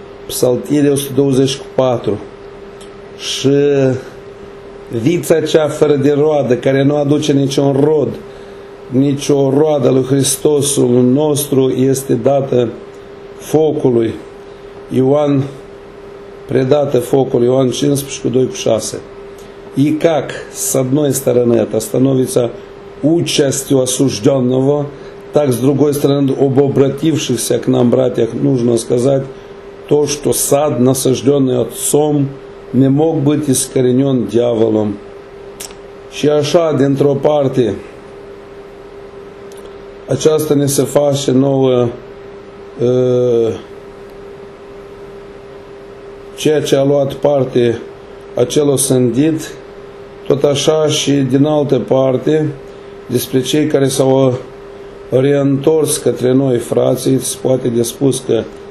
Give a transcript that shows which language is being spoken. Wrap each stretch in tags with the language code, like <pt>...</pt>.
<ro>Psaltire 124. Și vița cea fără de roadă, care nu aduce niciun rod, nicio roadă lui Hristosul nostru, este dată focului. Ioan, predată focului, Ioan 15:2-6.</ro> <ru>И как, с одной стороны, это становится участью осужденного, так, с другой стороны, об обратившихся к нам братьях, нужно сказать то, что сад, насажденный отцом, не мог быть искоренен дьяволом.</ru> <ro>Și așa, dintr-o parte, aceasta ne se face nouă, ceea ce a luat parte acel osândit, tot așa și din altă parte, despre cei care s-au reîntors către noi, frații, se poate de spus că</ro>